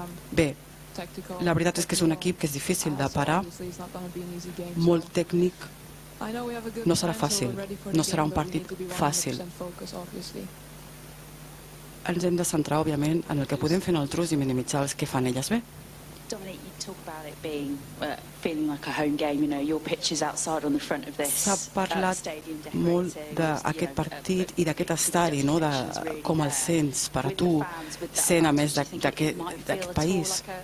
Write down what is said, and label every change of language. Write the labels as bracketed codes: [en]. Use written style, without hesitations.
[ca] Bé, la veritat és que és un equip que és difícil de parar, molt tècnic, no serà fàcil, no serà un partit fàcil. Ens hem de centrar, òbviament, en el que podem fer nosaltres i minimitzar els que fan elles bé. [en] Dominic, you talk about it being feeling like a home game, you know, your pitch is outside on the front of this. [ca] S'ha parlat molt d'aquest partit i d'aquest estadi, no, de com el sents per a tu, sent a més d'aquest país.